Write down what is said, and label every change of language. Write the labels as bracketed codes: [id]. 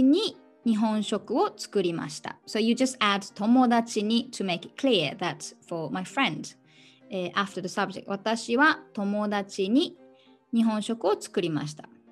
[ja] 私は友達に日本食を作りました. [en] So you just add 友達に to make it clear that for my friend, after the subject. [ja] 私は友達に日本食を作りました.